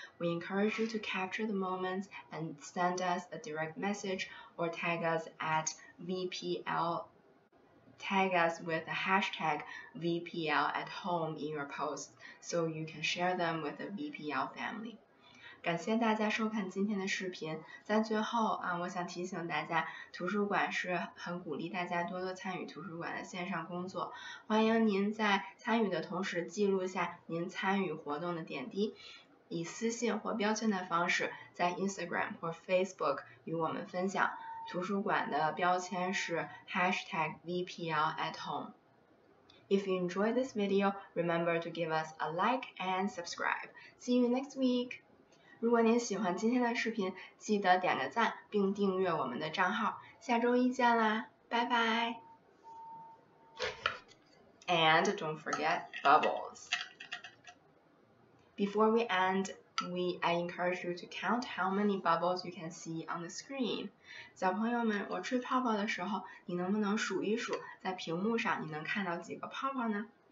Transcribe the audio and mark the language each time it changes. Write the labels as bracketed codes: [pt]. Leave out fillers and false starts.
[en] We encourage you to capture the moments and send us a direct message or tag us at VPL. Tag us with the hashtag VPL at home in your posts so you can share them with the VPL family. [zh] 感谢大家收看今天的视频。在最后啊，我想提醒大家，图书馆是很鼓励大家多多参与图书馆的线上工作。欢迎您在参与的同时记录下您参与活动的点滴，以私信或标签的方式在 Instagram 或 Facebook 与我们分享。图书馆的标签是 hashtag VPL at home. [en] If you enjoyed this video, remember to give us a like and subscribe. See you next week. [zh] 如果您喜欢今天的视频，记得点个赞并订阅我们的账号。下周一见啦，拜拜。 [en] And don't forget bubbles. Before we end,I encourage you to count how many bubbles you can see on the screen. [zh] 小朋友们，我吹泡泡的时候，你能不能数一数，在屏幕上你能看到几个泡泡呢？